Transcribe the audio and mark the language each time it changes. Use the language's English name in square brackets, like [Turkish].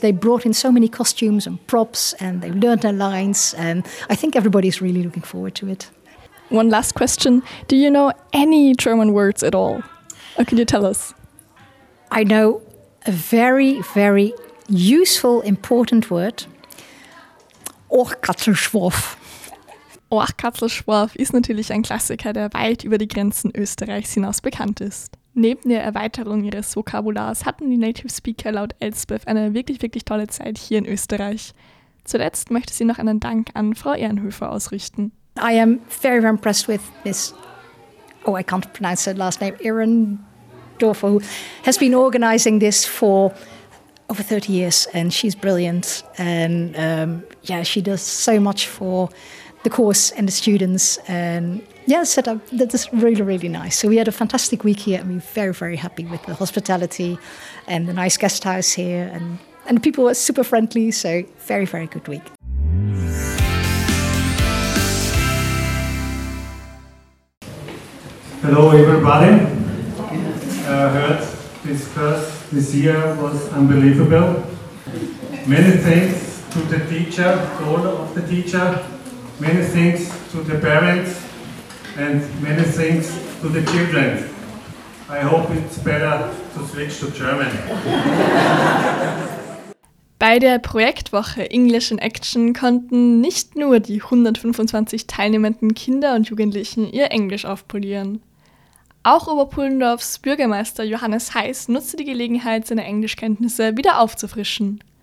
[English] They brought in so many costumes and props, and they've learned their lines. And I think everybody's really looking forward to it. One last question. Do you know any German words at all? Or can you tell us? I know a very, very useful, important word. [German] Ohrkatzelschwurf. Ohrkatzelschwurf ist natürlich ein Klassiker, der weit über die Grenzen Österreichs hinaus bekannt ist. Neben der Erweiterung ihres Vokabulars hatten die Native Speaker laut Elspeth eine wirklich, wirklich tolle Zeit hier in Österreich. Zuletzt möchte sie noch einen Dank an Frau Ehrenhöfer ausrichten. [English] I am very, very impressed with this. Oh, I can't pronounce her last name. Ehrendorfer, who has been organizing this for over 30 years, and she's brilliant. And she does so much for the course and the students, and Yeah, set up. That's really, really nice. So we had a fantastic week here, and we're very, very happy with the hospitality and the nice guest house here, and people were super friendly. So very, very good week. Hello, everybody. Heard this class this year was unbelievable. Many thanks to the teacher, to all of the teacher. Many thanks to the parents, and many thanks to the children. I hope it's better to switch to German. [German] Bei der Projektwoche English in Action konnten nicht nur die 125 teilnehmenden Kinder und Jugendlichen ihr Englisch aufpolieren. Auch Oberpullendorfs Bürgermeister Johannes Heiß nutzte die Gelegenheit, seine Englischkenntnisse wieder aufzufrischen.